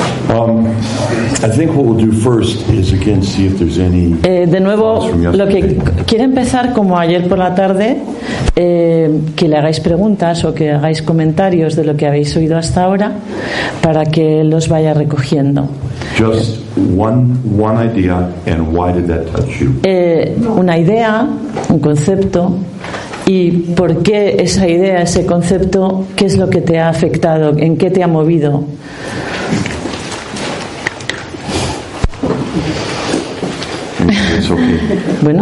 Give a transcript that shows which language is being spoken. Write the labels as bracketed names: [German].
[English] I think what we'll do first is again see if there's any. [Spanish] De nuevo, lo que quiero empezar como ayer por la tarde, que le hagáis preguntas o que hagáis comentarios de lo que habéis oído hasta ahora, para que los vaya recogiendo. [English] Just one idea, and why did that touch you? [Spanish] Una idea, un concepto, y por qué esa idea, ese concepto, qué es lo que te ha afectado, en qué te ha movido. [English] It's okay. [Spanish] Bueno.